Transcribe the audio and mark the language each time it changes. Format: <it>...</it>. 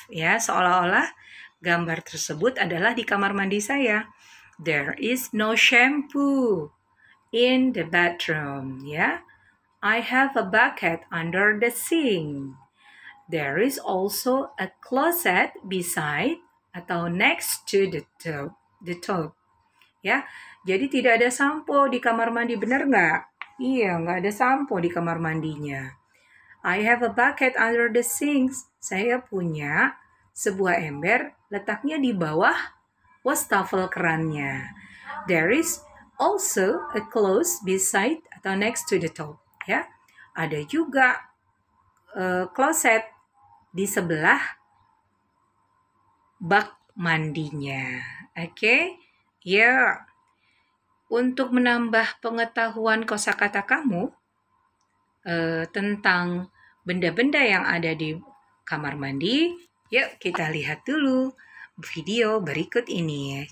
<id>Ya, seolah-olah gambar tersebut adalah di kamar mandi saya.</id> <en>There is no shampoo in the bathroom. Ya, I have a bucket under the sink. There is also a closet beside atau next to the tub.</en> <id>Ya, jadi tidak ada sampo di kamar mandi, benar nggak? Iya, nggak ada sampo di kamar mandinya.</id> <en>I have a bucket under the sink.</en> <id>Saya punya sebuah ember, letaknya di bawah wastafel kerannya.</id> <en>There is also a clothes beside atau next to the tub.</en> <id>Ya, ada juga closet di sebelah bak mandinya. Oke, okay? Ya. Yeah. Untuk menambah pengetahuan kosakata kamu tentang benda-benda yang ada di kamar mandi, yuk kita lihat dulu video berikut ini.</id>